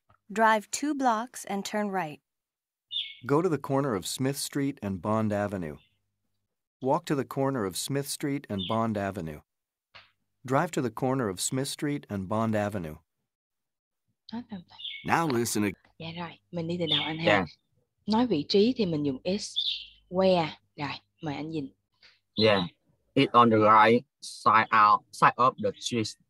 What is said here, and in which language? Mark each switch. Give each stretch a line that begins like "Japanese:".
English: Drive two blocks and turn right. Go to the corner of Smith Street and Bond Avenue. Walk to the corner of Smith Street and Bond Avenue. Drive to the corner of Smith Street and Bond Avenue. Now listen again.
Vietnamese: Dạ rồi, mình đi từ đầu anh ha. Yeah. Nói vị trí thì mình dùng is. Where? Rồi, mời anh nhìn.
English: Yeah, it's on the right side of the street.